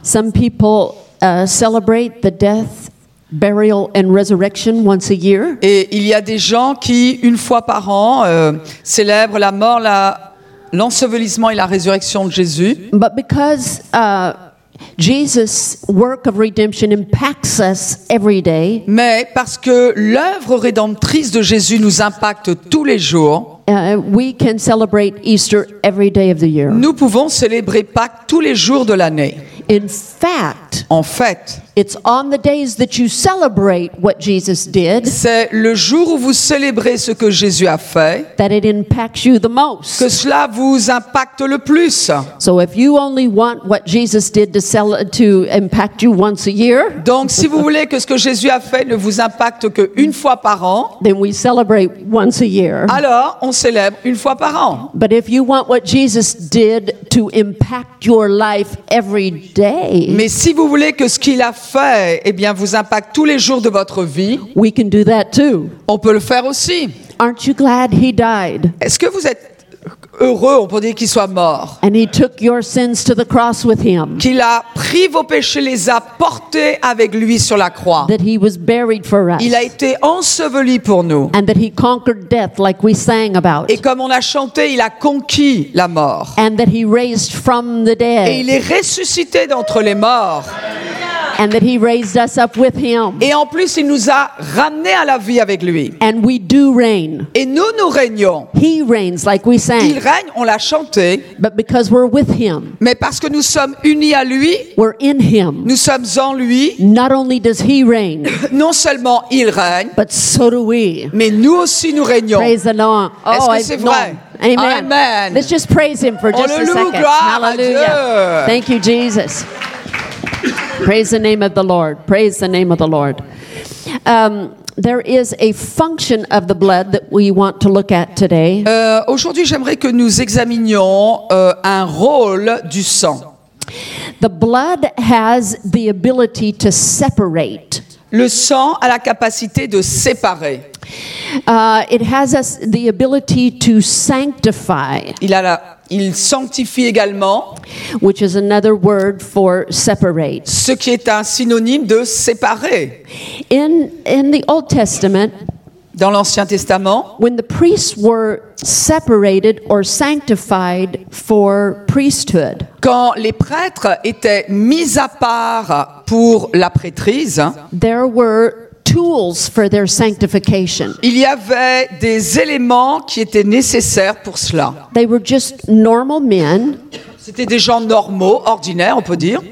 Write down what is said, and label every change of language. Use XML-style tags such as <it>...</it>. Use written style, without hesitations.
<en>Some people celebrate the death, burial and resurrection once a year.</en> <fr>Et il y a des gens qui, une fois par an, célèbrent la mort, la l'ensevelissement et la résurrection de Jésus.</fr> <en>But because Jesus' work of redemption impacts us every day.</en> <fr>Mais parce que l'œuvre rédemptrice de Jésus nous impacte tous les jours.</fr> <en>We can celebrate Easter every day of the year.</en> <fr>Nous pouvons célébrer Pâques tous les jours de l'année.</fr> <en>In fact,</en> <fr>en fait,</fr> <en>it's on the days that you celebrate what Jesus did.</en> <fr>C'est le jour où vous célébrez ce que Jésus a fait.</fr> <en>That it impacts you the most.</en> <fr>Que cela vous impacte le plus.</fr> <en>So if you only want what Jesus did to impact you once a year.</en> <fr>Donc si vous voulez que ce que Jésus a fait ne vous impacte que une fois par an.</fr> <en>Then we celebrate once a year.</en> <fr>Alors on célèbre une fois par an.</fr> <en>But if you want what Jesus did to impact your life every day.</en> <fr>Mais si vous voulez que ce qu'il a fait, eh bien, vous impacte tous les jours de votre vie.</fr> <en>We can do that too.</en> <fr>On peut le faire aussi.</fr> <en>Aren't you glad he died?</en> <fr>Est-ce que vous êtes heureux, on peut dire qu'il soit mort.</fr> <en>And he took your sins to the cross with him.</en> <fr>Qu'il a pris vos péchés, les a portés avec lui sur la croix.</fr> <en>That he was buried for us.</en> <fr>Il a été enseveli pour nous.</fr> <en>And that he conquered death like we sang about.</en> <fr>Et comme on a chanté, il a conquis la mort.</fr> <en>And that he raised from the dead.</en> <fr>Et il est ressuscité d'entre les morts.</fr> <en>And that he raised us up with him.</en> <fr>Et en plus, il nous a ramenés à la vie avec lui.</fr> <en>And we do reign.</en> <fr>Et nous, nous régnons.</fr> <en>He reigns like we sang.</en> <fr>Il règne, on l'a chanté.</fr> <en>But because we're with him.</en> <fr>Mais parce que nous sommes unis à lui.</fr> <en>We're in him.</en> <fr>Nous sommes en lui.</fr> <en>Not only does he reign.</en> <fr>Non seulement il règne.</fr> <en>But so do we.</en> <fr>Mais nous aussi, nous régnons.</fr> <en>Praise the Lord.</en> <fr>Oh, est-ce que c'est vrai?</fr> <en>Amen. Amen. Let's just praise him for just a second. Hallelujah. Thank you, Jesus. Praise the name of the Lord. Praise the name of the Lord. There is a function of the blood that we want to look at today.</en> <fr>Aujourd'hui, j'aimerais que nous examinions un rôle du sang.</fr> <en>The blood has the ability to separate.</en> <fr>Le sang a la capacité de séparer.</fr> <en>It has us the ability to sanctify.</en> <fr>Il sanctifie également,</fr> <en>which is another word for separate.</en> <fr>Ce qui est un synonyme de séparer.</fr> <en>In the Old Testament,</en> <fr>dans l'Ancien Testament,</fr> <en>when the priests were separated or sanctified for priesthood,</en> <fr>quand les prêtres étaient mis à part pour la prêtrise,</fr> <en>there were tools for their sanctification.</en> <fr>Il y avait des éléments qui étaient nécessaires pour cela.</fr> <en>They were just normal men.</en> <fr>C'était des gens normaux, ordinaires, on peut dire.</fr>